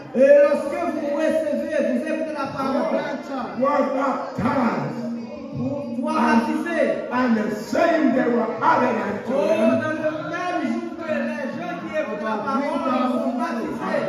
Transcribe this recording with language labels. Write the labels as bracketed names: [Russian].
[French] Et lorsque vous recevez, vous écoutez la parole. [English] Were baptized. [French] Vous baptisez. [English] And the same day were added unto them. [French] Dans le même jour que les gens qui écoutent la parole vous baptisez.